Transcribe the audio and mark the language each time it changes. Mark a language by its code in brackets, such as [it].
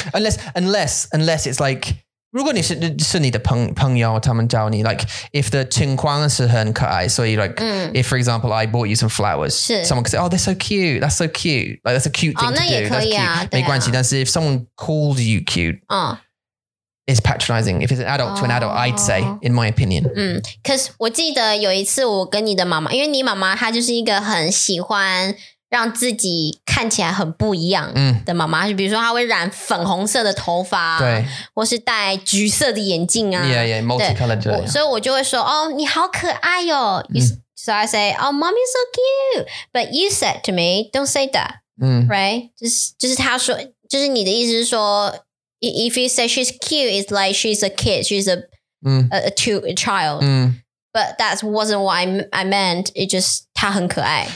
[en] Unless it's like, [zh] 如果你是你的朋友，他们叫你 [en] like, if the [zh] 情况是很可爱，所以 [en] like, if for example, I bought you some flowers, someone could say, oh, they're so cute. That's so cute. Like, that's a cute thing to do. [zh] 那也可以啊，没关系。但是 [en] if someone called you cute, it's patronizing. If it's an adult to an adult, I'd say, in my opinion. 'Cause [zh] 我记得有一次我跟你的妈妈，因为你妈妈她就是一个很喜欢。让自己看起来很不一样的妈妈，比如说她会染粉红色的头发、啊，对，或是戴橘色的眼镜啊， [en] yeah, multicolored [zh] 对，所以我就会说，哦，你好可爱哟、哦。 [en] So I say, oh, mommy so cute. But you said to me, don't say that. Right? [zh] 就是她说，就是你的意思是说 [en] ，if you say she's cute, it's like she's a kid, she's a child. But that wasn't what I meant. It just [zh] 她很可爱。